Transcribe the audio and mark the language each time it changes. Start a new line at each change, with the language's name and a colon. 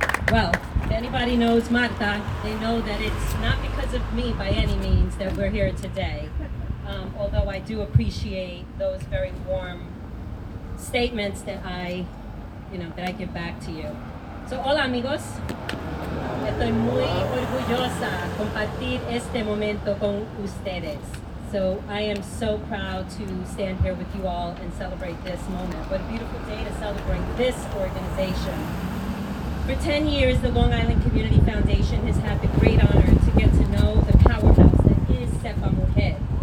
English: Well, if anybody knows Marta, they know that it's not because of me by any means that we're here today. Although I do appreciate those very warm statements that I give back to you.
Spanish: So, hola amigos. Estoy muy orgullosa compartir este momento con ustedes.
English: So, I am so proud to stand here with you all and celebrate this moment. What a beautiful day to celebrate this organization. For 10 years, the Long Island Community Foundation has had the great honor to get to know the powerhouse that is SEPA Mujer.